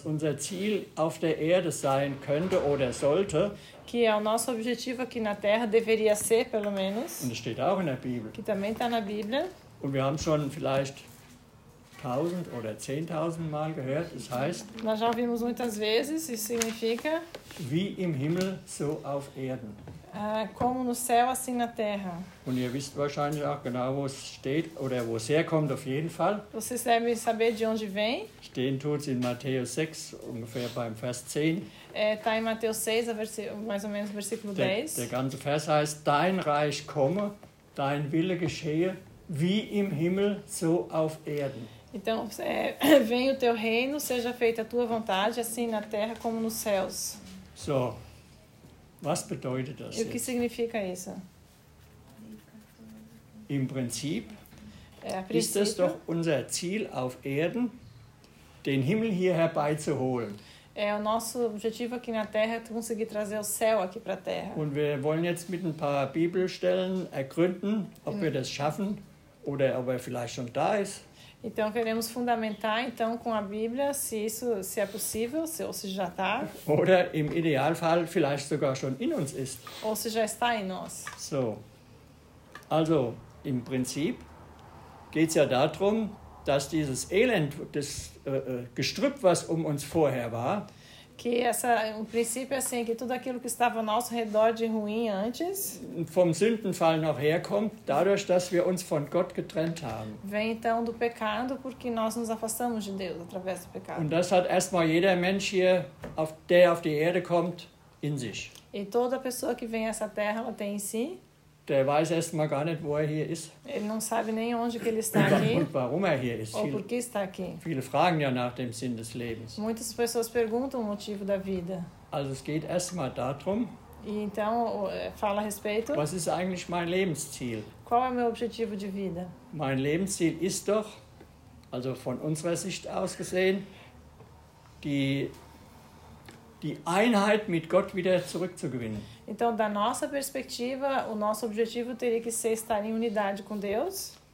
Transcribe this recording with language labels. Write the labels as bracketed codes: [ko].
[de] unser Ziel auf der Erde sein könnte oder sollte. [pt] Que é o nosso objetivo aqui na Terra, deveria ser, pelo menos. [de] Und es steht auch in der Bibel. [pt] Que também está na Bíblia. [de] Und wir haben schon vielleicht 1000 oder 10.000 Mal gehört. Das heißt, [pt] nós já ouvimos muitas vezes, isso significa... [de] Wie im Himmel, so auf Erden. [pt] Como no céu, assim na terra. [de] Und ihr wisst wahrscheinlich auch genau, wo es steht oder wo es herkommt, auf jeden Fall. [pt] Vocês devem saber de onde vem. [de] Stehen tut es in Matthäus 6, ungefähr beim Vers 10. [pt] Está em Mateus 6, mais ou menos versículo 10. [de] Der ganze Vers heißt: Dein Reich komme, dein Wille geschehe, wie im Himmel, so auf Erden. [pt] Então, vem o teu reino, seja feita a tua vontade, assim na terra como nos céus. [de] So. Was bedeutet das? [pt] O que significa isso? [de] Im Prinzip ist es doch unser Ziel auf Erden, den Himmel hier herbeizuholen. [pt] É o nosso objetivo aqui na Terra é conseguir trazer o céu aqui para a Terra. [de] Und wir wollen jetzt mit ein paar Bibelstellen ergründen, ob wir das schaffen oder ob er vielleicht schon da ist. [pt] Então queremos fundamentar então com a Bíblia se isso se é possível, se ou se já está. [de] Oder im Idealfall vielleicht sogar schon in uns ist. [pt] Ou se já está em nós. [de] So. Also, im Prinzip geht's ja darum, dass dieses Elend, das Gestrüpp, was um uns vorher war, [pt] que essa um princípio assim que tudo aquilo que estava ao nosso redor de ruim antes [de] vom Sündenfall noch herkommt, dadurch dass wir uns von Gott getrennt haben. [pt] Vem então do pecado porque nós nos afastamos de Deus através do pecado. [de] Und das hat erstmal jeder Mensch hier auf die Erde kommt in sich. [pt] E toda pessoa que vem a essa terra ela tem em si. [de] Der weiß erstmal gar nicht, wo er hier ist. [pt] Ele não sabe nem onde que ele está aqui. [de] Und warum er hier ist. [pt] Ou por que está aqui. [de] Viele fragen ja nach dem Sinn des Lebens. [pt] Muitas pessoas perguntam o motivo da vida. [de] Also es geht erstmal darum. [pt] E então, fala a respeito. [de] Was ist eigentlich mein Lebensziel? [pt] Qual é o meu objetivo de vida? [de] Mein Lebensziel ist doch, also von unserer Sicht aus gesehen, die Einheit mit Gott wieder zurückzugewinnen. [pt] Então, da nossa perspectiva, o nosso objetivo teria que ser estar em unidade com Deus?